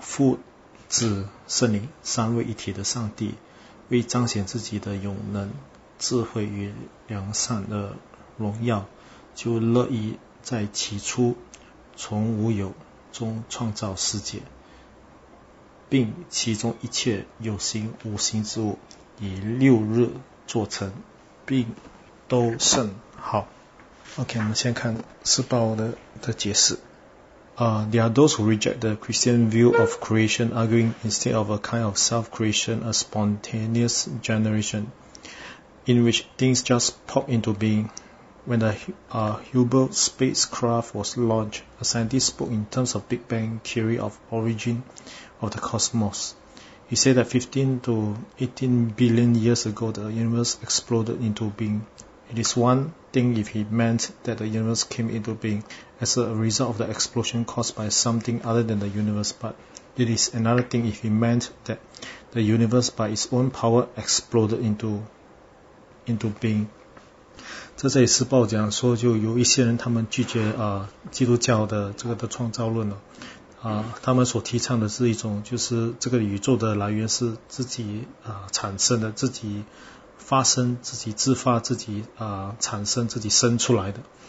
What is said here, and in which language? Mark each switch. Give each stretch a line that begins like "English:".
Chinese: 父、子、圣灵三位一体的上帝，为彰显自己的永能、智慧与良善的荣耀，就乐意在起初从无有中创造世界，并其中一切有形无形之物以六日做成，并都甚好。 OK， 我们先看四报的解释。
English: There are those who reject the Christian view of creation, arguing instead of a kind of self-creation, a spontaneous generation in which things just pop into being. When the Hubble spacecraft was launched, a scientist spoke in terms of Big Bang theory of origin of the cosmos. He said that 15 to 18 billion years ago, the universe exploded into being. It is one thing if he meant that the universe came into being as a result of the explosion caused by something other than the universe, but it is another thing if he meant that the universe by its own power exploded into being.
Chinese: 这在四报讲说，就有一些人他们拒绝基督教的这个的创造论了。他们所提倡的是一种，就是这个宇宙的来源是自己产生的，自己发生，自己自发，自己产生，自己生出来的。